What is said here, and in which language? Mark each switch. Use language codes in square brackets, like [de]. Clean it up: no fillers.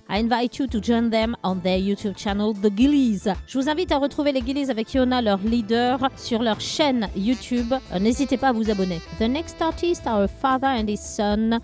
[en] I invite you to join them on their YouTube channel The Gillies. [fr] Je vous invite à retrouver les Gillies avec Yona, leur leader, sur leur chaîne YouTube. N'hésitez pas à vous abonner. [en] The next artist are a father and his son.